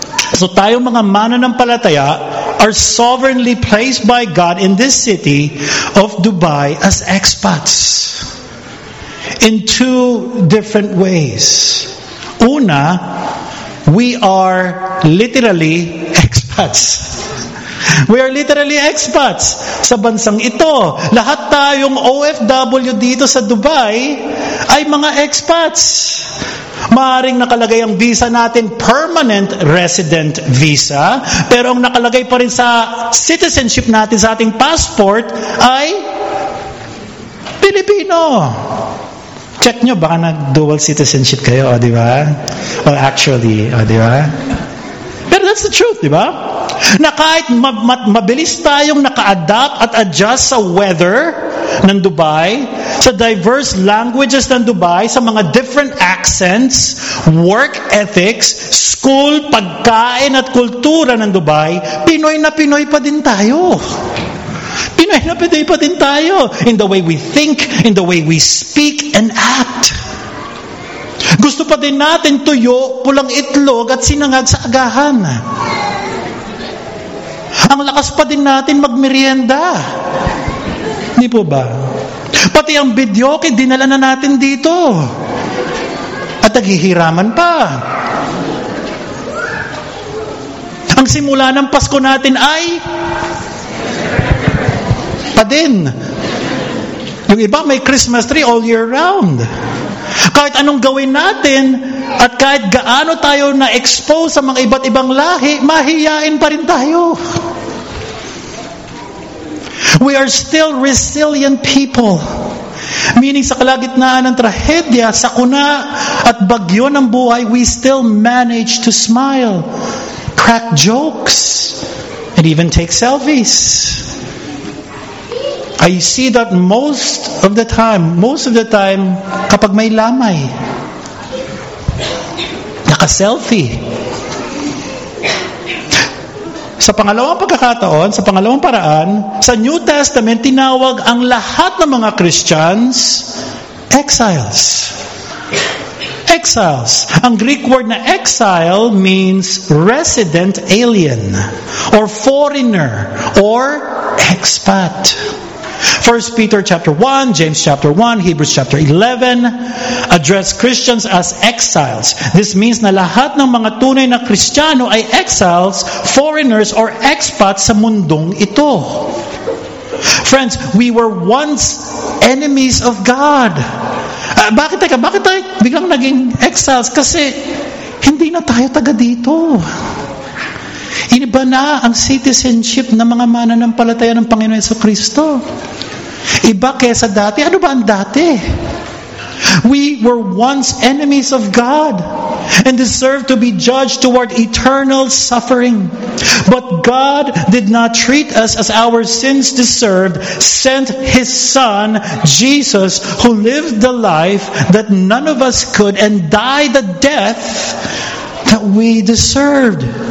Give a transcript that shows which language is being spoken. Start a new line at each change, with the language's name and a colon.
English: So
Filipino: tayo mga mananampalataya
English: are sovereignly placed by God in this city of Dubai as expats in two different ways. Una, we are literally expats. We are literally expats
Filipino: sa bansang ito. Lahat tayong OFW dito sa Dubai ay mga expats. Maaring nakalagay ang visa natin, permanent resident visa, pero ang nakalagay pa rin sa citizenship natin, sa ating passport, ay Pilipino. Check nyo, baka nag-dual citizenship kayo, o diba? Well, actually, o diba?
English: Pero that's the truth, diba?
Filipino: Na kahit mabilis tayong naka-adapt at adjust sa weather ng Dubai, sa diverse languages ng Dubai, sa mga different accents, work ethics, school, pagkain at kultura ng Dubai, Pinoy na Pinoy pa din tayo. Pinoy na Pinoy pa din tayo
English: in the way we think, in the way we speak and act.
Filipino: Gusto pa din natin tuyo, pulang itlog at sinangag sa agahan. Ang lakas pa din natin magmerienda. Hindi po ba? Pati ang bidyoke, dinala na natin dito. At naghihiraman pa. ang simula ng Pasko natin ay pa din. Yung iba may
English: Christmas tree all year round.
Filipino: Kahit anong gawin natin at kahit gaano tayo na-expose sa mga iba't ibang lahi, mahihiyain pa rin tayo.
English: We are still resilient people. Meaning
Filipino: sa kalagitnaan ng trahedya, sakuna at bagyo ng buhay,
English: we still manage to smile, crack jokes, and even take selfies. I see that most of the time,
Filipino: kapag may lamay, naka-selfie. Sa pangalawang paraan, sa New Testament, tinawag ang lahat ng mga Christians, exiles.
English: Exiles. Ang Greek word na exile means resident alien, or foreigner, or expat. 1 Peter chapter 1, James chapter 1, Hebrews chapter 11 address Christians as exiles. This means
Filipino: na lahat ng mga tunay na Kristiyano ay exiles, foreigners, or expats sa mundong ito.
English: Friends, we were once enemies of God.
Filipino: Bakit tayo biglang naging exiles? Kasi hindi na tayo taga dito. Iniba na ang citizenship ng mga mananampalataya ng Panginoon Jesucristo. Iba kesa dati. Ano ba ang dati?
English: We were once enemies of God and deserved to be judged toward eternal suffering. But God did not treat us as our sins deserved, sent His Son, Jesus, who lived the life that none of us could and died the death that we deserved.